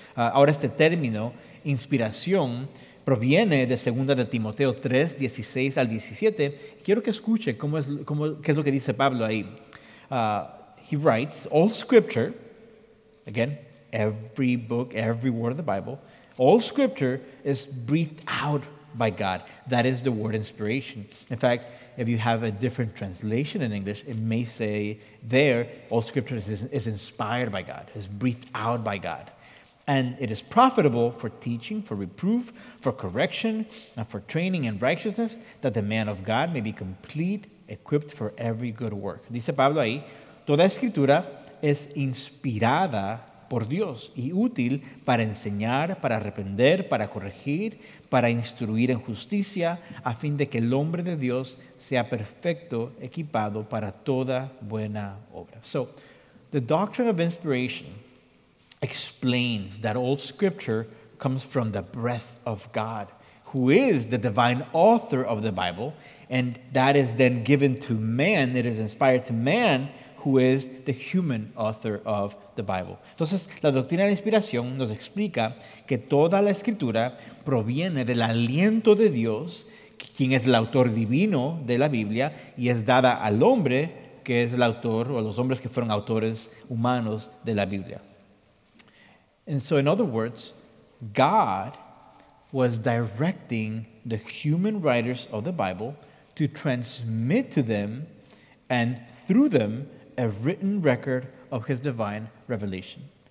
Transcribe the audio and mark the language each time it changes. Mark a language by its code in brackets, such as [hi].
[es] Ahora este término, inspiración, proviene de 2 de Timoteo 3, 16 al 17. Quiero que escuche qué es lo que dice Pablo ahí. [en] He writes, all scripture, again, every book, every word of the Bible, all scripture is breathed out by God. That is the word inspiration. In fact, if you have a different translation in English, it may say there, all scripture is inspired by God, is breathed out by God. And it is profitable for teaching, for reproof, for correction, and for training in righteousness, that the man of God may be complete, equipped for every good work. [es] Dice Pablo ahí, toda escritura es inspirada por Dios y útil para enseñar, para reprender, para corregir, para instruir en justicia, a fin de que el hombre de Dios sea perfecto, equipado para toda buena obra. [en] So, the doctrine of inspiration explains that all scripture comes from the breath of God, who is the divine author of the Bible, and that is then given to man, it is inspired to man, who is the human author of the Bible. [es] Entonces, la doctrina de la inspiración nos explica que toda la escritura proviene del aliento de Dios, quien es el autor divino de la Biblia, y es dada al hombre, que es el autor, o los hombres que fueron autores humanos de la Biblia. [en] And so, in other words, God was directing the human writers of the Bible to transmit to them and through them a written record of his divine revelation.